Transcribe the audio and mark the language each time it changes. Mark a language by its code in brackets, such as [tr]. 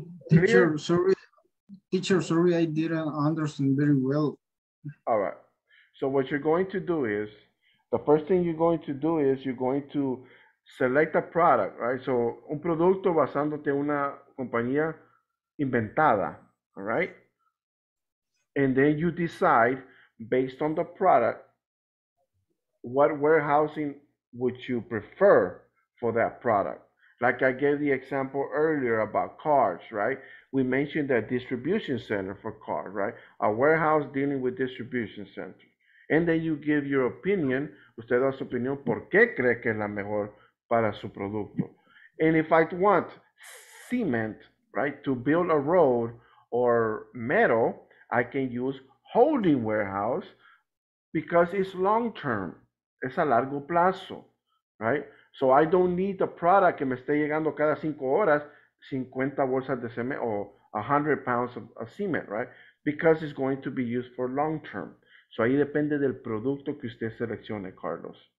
[en] Teacher, sorry. Teacher, sorry, I didn't understand very well. All right. So what you're going to do is, the first thing you're going to do is you're going to select a product, right? [es] So, un producto basándote en una compañía inventada, all right? [en] And then you decide, based on the product, what warehousing would you prefer for that product? Like I gave the example earlier about cars, right? We mentioned that distribution center for cars, right? A warehouse dealing with distribution center. And then you give your opinion, usted da su opinión, ¿por qué cree que es la mejor para su producto? And if I want cement, right, to build a road or metal, I can use holding warehouse because it's long term. Es a largo plazo, right? So I don't need the product que me esté llegando cada 5 horas, 50 bolsas de cement or 100 pounds of cement, right? Because it's going to be used for long term. [es] So ahí depende del producto que usted seleccione, Carlos.